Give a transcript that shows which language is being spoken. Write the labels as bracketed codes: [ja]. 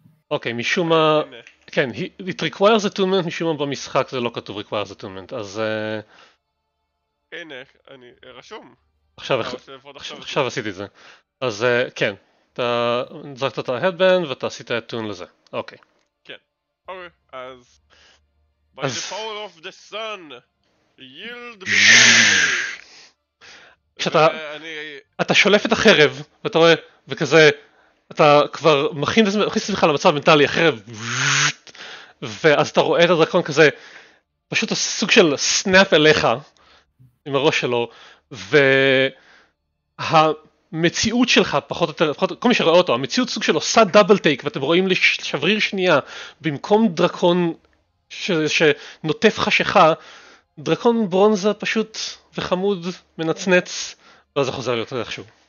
[he] אוקיי, משום מה... כן, [en] it requires attunement, [he] משום מה במשחק זה לא כתוב [en] requires attunement, [he] אז... הנה, אני רשום. עכשיו עשיתי את זה. אז כן, אתה זרקת את ההדבנד ואתה עשית attune לזה. אוקיי. כן, אוקיי, אז... [en] By the power of the sun, yield before... [he] כשאתה שולף את החרב, ואתה רואה, וכזה, אתה כבר מכניס לך למצב מנטלי, החרב, ואז אתה רואה את הדרקון כזה, פשוט סוג של סנאפ אליך, עם הראש שלו, והמציאות שלך, פחות או יותר, כל מי שראה אותו, המציאות סוג של עושה דאבל טייק, ואתם רואים לשבריר שנייה, במקום דרקון שנוטף חשיכה, דרקון ברונזה פשוט וחמוד מנצנץ ואז זה חוזר להיות איכשהו.